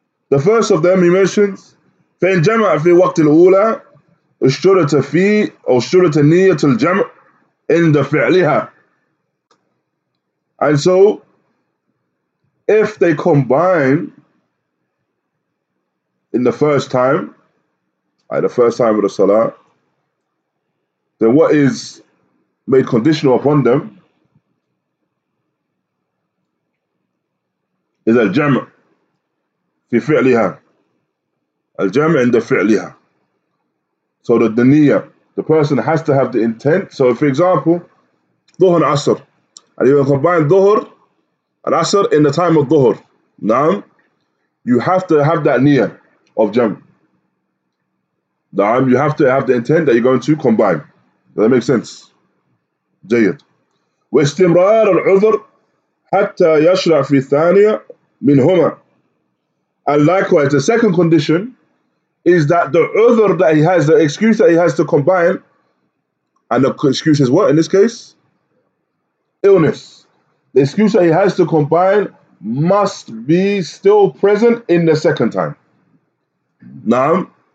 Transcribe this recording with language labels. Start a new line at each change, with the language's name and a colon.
English: The first of them, he mentions,
Arabic: فَإِنْ جَمَعَ فِي وَقْتِ الْأُولَى اشترط في أو اشترط نية الجمع عند فعلها.
English: And so, if they combine in the first time, the first time of the Salah, then what is made conditional upon them is
Arabic: الجمع في فعلها. الجمع عند فعلها.
English: So the niyyah, the person has to have the intent. So for example, Dhuhr and Asr. And you combine Dhuhr and Asr in the time of Dhuhr. Naam. You have to have that niyyah of Jam. Naam. You have to have the intent that you're going to combine. Does that make sense? Jayyid.
Arabic: واستمرار العذر حتى يشرع في الثانية منهما.
English: And likewise, the second condition is that the udhr that he has, the excuse that he has to combine, and the excuse is what in this case? Illness. The excuse that he has to combine must be still present in the second time. Naam.